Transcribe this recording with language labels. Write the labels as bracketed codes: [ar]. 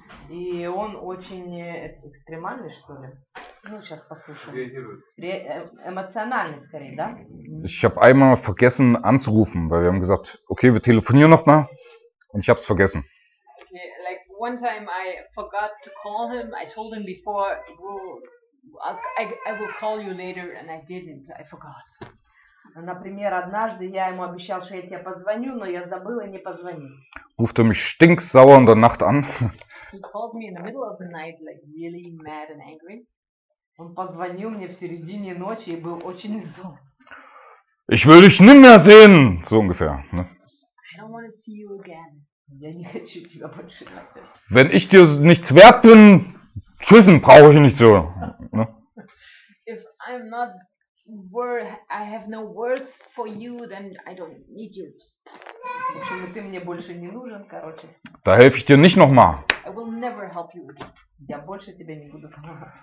[ru] И он очень экстремальный, что ли? Ну, сейчас послушаем. Эмоциональный, скорее, да? [de] Ich habe einmal vergessen anzurufen, weil wir haben gesagt, okay, wir telefonieren nochmal und ich habe es vergessen. [en] Okay, like one time I forgot to call him. I told him before, I will call you later and I didn't. I forgot. [ru] Например, однажды я ему обещал, что я тебе позвоню, но я забыл и не позвонил. [de] Ruft er mich stinksauer in der Nacht an. [en] He called me in the middle of the night, like really mad and angry. [ru] Он позвонил мне в середине ночи и был очень зол. [de] Ich will dich nimmer sehen, so ungefähr. Ne? [en] I don't want to see you again. [de] Wenn ich dir nichts wert bin, schissen brauche ich nicht so. Ne? [en] If I'm not worth, I have no worth for you, then I don't need you. [ru] Ты мне больше не нужен, короче. [de] Da helfe ich dir nicht nochmal. [en] I will never help you. [ru] Я больше тебя не буду помогать.